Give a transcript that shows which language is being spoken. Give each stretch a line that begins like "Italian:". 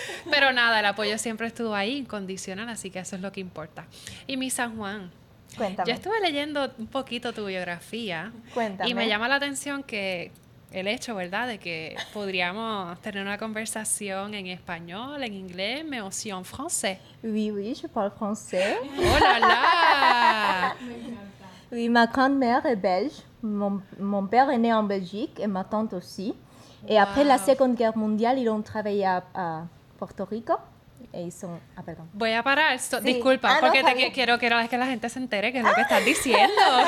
Spanish: Pero nada, el apoyo siempre estuvo ahí, incondicional, así que eso es lo que importa. Y mi San Juan. Cuéntame. Yo estuve leyendo un poquito tu biografía. Cuéntame. Y me llama la atención que... el hecho, ¿verdad?, de que podríamos tener una conversación en español, en inglés,
French: mais aussi en français. Oui, oui, je parle français. ¡Oh là là! Oui, ma grand-mère est belge, mon père est né en Belgique et ma tante aussi. Et wow. Après la Seconde Guerre mondiale, ils ont travaillé à Porto Rico.
Spanish: e hizo un... Ah, perdón. Voy a parar. Sí. Disculpa, ah, porque no, quiero que la gente se entere qué es lo que estás diciendo.